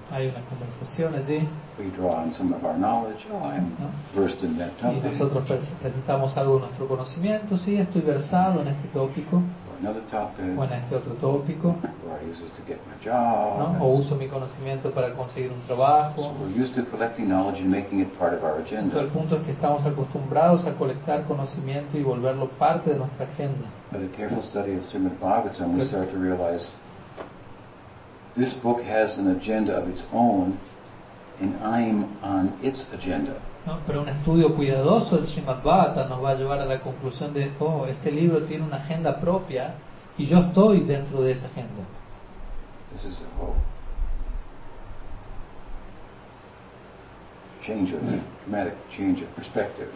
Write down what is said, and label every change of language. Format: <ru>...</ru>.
<es>Hay una conversación allí.</es> <en>We draw on some of our knowledge. Oh, I'm versed in that topic.</en> <es>Y nosotros presentamos algo de nuestro conocimiento. Sí, estoy versado en este tópico.</es> <en>Or another topic.</en> <es>O en este otro tópico.</es> <en>Or I use it to get my job.</en> <es>¿No? O uso mi conocimiento para conseguir un trabajo.</es> <en>So we're used to collecting knowledge and making it part of our agenda.</en> <es>Todo el punto es que estamos acostumbrados a colectar conocimiento y volverlo parte de nuestra agenda.</es> <en>But a careful study of Srimad Bhagavatam, we start to realize this book has an agenda of its own, and I'm on its agenda.</en> <es>No, pero un estudio cuidadoso del Srimad Bhagavatam nos va a llevar a la conclusión de, oh, este libro tiene una agenda propia, y yo estoy dentro de esa agenda.</es> <en>This is a whole change of, dramatic change of perspective.</en>